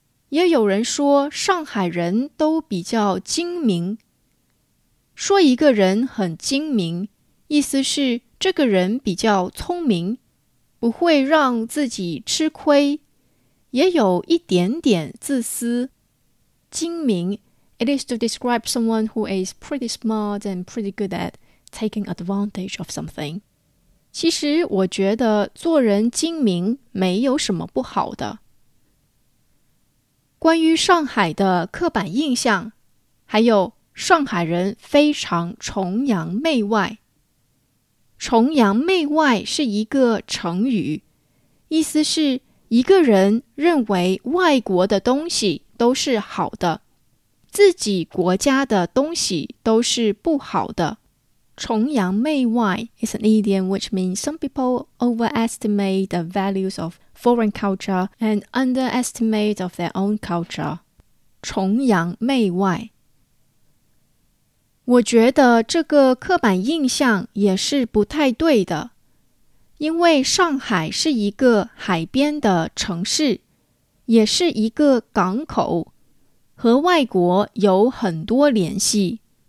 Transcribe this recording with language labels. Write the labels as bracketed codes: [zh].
[zh] 也有人说上海人都比较精明。说一个人很精明，意思是这个人比较聪明，不会让自己吃亏，也有一点点自私。 [en] 精明 It is to describe someone who is pretty smart and pretty good at taking advantage of something. [zh] 其实我觉得做人精明没有什么不好的。关于上海的刻板印象，还有上海人非常崇洋媚外。崇洋媚外是一个成语，意思是一个人认为外国的东西都是好的，自己国家的东西都是不好的。 [en] 崇洋媚外 is an idiom which means some people overestimate the values of foreign culture and underestimate of their own culture. [zh] 崇洋媚外。我觉得这个刻板印象也是不太对的，因为上海是一个海边的城市，也是一个港口，和外国有很多联系。